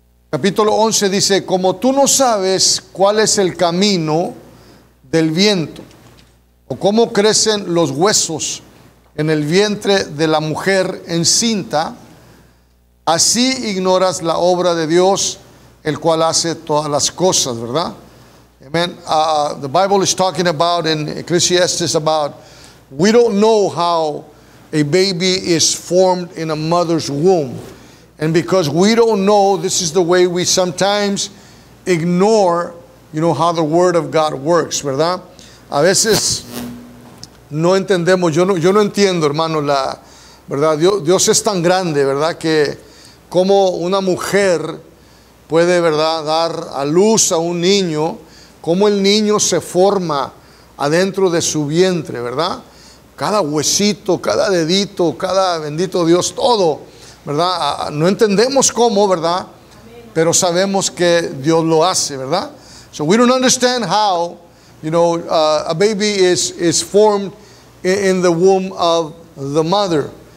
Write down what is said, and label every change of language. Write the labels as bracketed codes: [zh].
[es] Capítulo 11 dice, como tú no sabes cuál es el camino del viento, o cómo crecen los huesos en el vientre de la mujer encinta, así ignoras la obra de Dios, el cual hace todas las cosas, ¿verdad? [en] Amen. The Bible is talking about in Ecclesiastes about, we don't know how a baby is formed in a mother's womb. And because we don't know, this is the way we sometimes ignore, you know, how the word of God works, [es] ¿verdad? A veces no entendemos, yo no entiendo, hermano, la verdad. Dios es tan grande, ¿verdad?, que como una mujer puede, ¿verdad?, dar a luz a un niño, como el niño se forma adentro de su vientre, ¿verdad? Cada huesito, cada dedito, cada, bendito Dios, todo, ¿verdad? No entendemos cómo, ¿verdad?, pero sabemos que Dios lo hace, ¿verdad? [en] So we don't understand how, you know, a baby is formed in the womb of the mother.